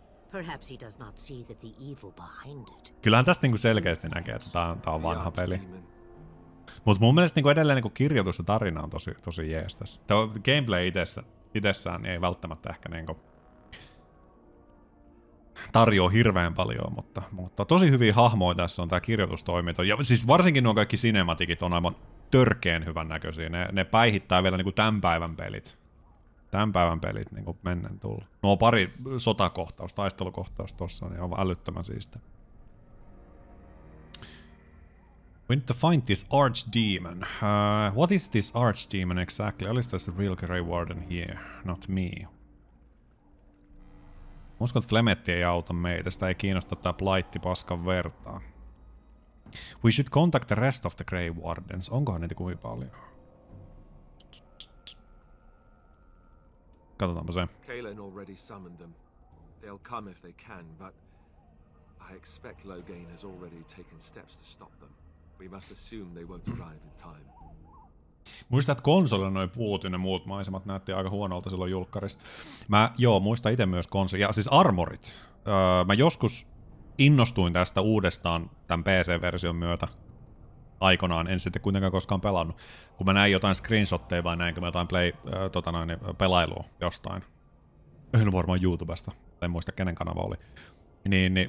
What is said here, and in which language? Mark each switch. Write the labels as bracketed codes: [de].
[en] Perhaps he does not see that the evil behind it. [fi] Kyllähän tästä niinku selkeästi näkee, että tää on vanha peli. Mut mun mielestä niinku edelleen niinku kirjoitus ja tarina on tosi jees tässä. Tää gameplay itessään niin ei välttämättä ehkä niinku tarjoaa hirveän paljon, mutta tosi hyviä hahmoja tässä on tämä kirjoitustoiminto. Ja siis varsinkin nuo kaikki cinematicit on aivan törkeen hyvän näköisiä. Ne päihittää vielä niin kuin tämän päivän pelit niin kuin mennen tullut. Nuo pari sotakohtaus, taistelukohtaus tuossa niin on älyttömän siistä. [en] We need to find this archdemon. What is this archdemon exactly? Or is this a real Grey Warden here, not me? [fi] Uskon, että Flemetti ei auta meitä. Sitä ei kiinnosta tää blaitti paskan vertaa. [en] We should contact the rest of the Grey Wardens. [fi] Onkohan niitä kuinka paljon? Katsotaanpa se. [en] Kaelin already summoned them. They'll come if they can, but I expect Loghain has already taken steps to stop them. We must assume they won't arrive in time. [fi] Muistat, että konsolilla noin puut ja ne muut maisemat näytti aika huonolta silloin julkkarissa. Mä, joo, muistan itse myös konsoli. Ja siis armorit. Mä joskus innostuin tästä uudestaan tämän PC-version myötä aikanaan. En sitten kuitenkaan koskaan pelannut. Kun mä näin jotain screenshotteja vai näinkö mä jotain pelailua jostain. En varmaan YouTubesta. En muista, kenen kanava oli. Niin.